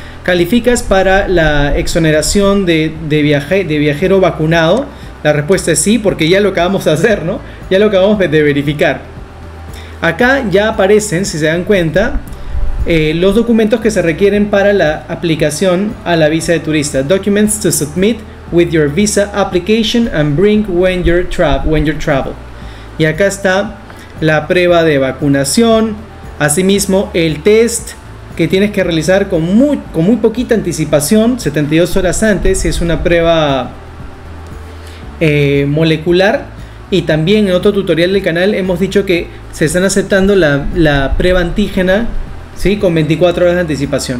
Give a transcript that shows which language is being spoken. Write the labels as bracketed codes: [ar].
[es] ¿Calificas para la exoneración de viajero vacunado? La respuesta es sí, porque ya lo acabamos de hacer, ¿no? Ya lo acabamos de verificar. Acá ya aparecen, si se dan cuenta, los documentos que se requieren para la aplicación a la visa de turista. [en] Documents to submit with your visa application and bring when you travel. [es] Y acá está la prueba de vacunación. Asimismo, el test que tienes que realizar con muy poquita anticipación, 72 horas antes, si es una prueba molecular. Y también en otro tutorial del canal hemos dicho que se están aceptando la prueba antígena, ¿sí?, con 24 horas de anticipación.